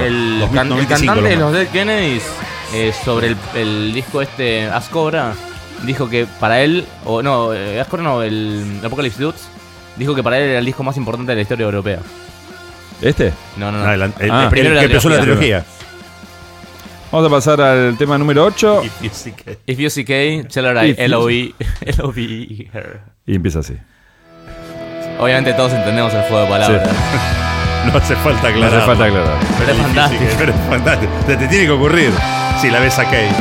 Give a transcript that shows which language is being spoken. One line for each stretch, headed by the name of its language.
Spanish: El, 2005, el cantante de los Dead Kennedys, sobre el disco este, Ask Cobra, dijo que para él... el Apocalypse Dudes, dijo que para él era el disco más importante de la historia europea. ¿Este? No. El que empezó la trilogía. Vamos a pasar al tema número 8.
English: If you see K, tell her I L-O-E, L-O-V-E her.
Spanish: Y empieza así. Obviamente todos entendemos el juego de palabras. Sí. No hace falta aclarar. No hace falta aclarar. Pero es fantástico. Pero es fantástico. Te tiene que ocurrir si la ves a K.